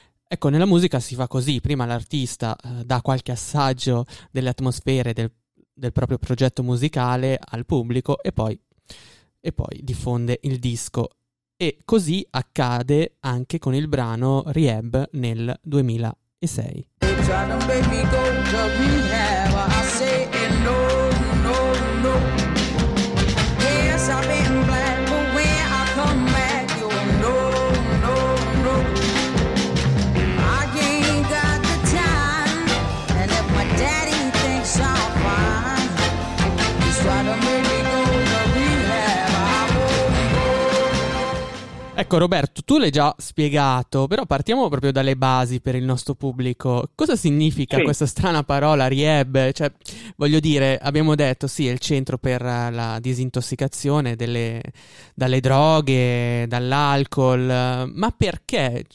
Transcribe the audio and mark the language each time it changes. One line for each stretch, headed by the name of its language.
Italian: Ecco, nella musica si fa così, prima l'artista dà qualche assaggio delle atmosfere del proprio progetto musicale al pubblico e poi diffonde il disco. E così accade anche con il brano Rehab nel 2006.
English: Trying to make me go to rehab, I say no, no, no. Yes, I've been black, but when I come back, you're no, no, no. I ain't got the time, and if my daddy thinks I'm fine, he's trying to make me go to rehab, I won't go.
Italian: Ecco, Roberto, tu l'hai già spiegato, però partiamo proprio dalle basi per il nostro pubblico. Cosa significa questa strana parola rieb? Cioè, voglio dire, abbiamo detto, sì, è il centro per la disintossicazione dalle droghe, dall'alcol, ma perché?